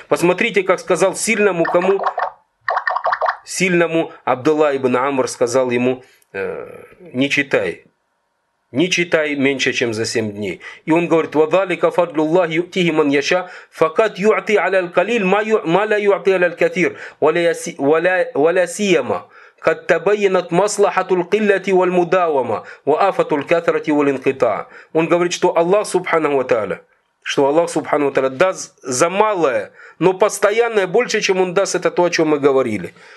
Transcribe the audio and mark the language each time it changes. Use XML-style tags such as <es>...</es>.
<ru>Посмотрите, как сказал сильному кому? Сильному Абдулла ибн Амр сказал ему, не читай. Не читай меньше, чем за 7 дней. И он говорит,</ru> <ar>«Вадалика фадлю Аллах ютихи ман яша, факат ю'ти аля л-калил, ма ля ю'ти аля л-катир, валя сияма». قد تبينت مصلحة القلة والمداومة وآفة الكثرة والانقطاع.</ar> <ru>Он говорит, что Аллах Субхана ва Тааля, что Аллах Субхана ва Тааля даст за малое, но постоянное больше, чем он даст, это то, о чем мы говорили.</ru>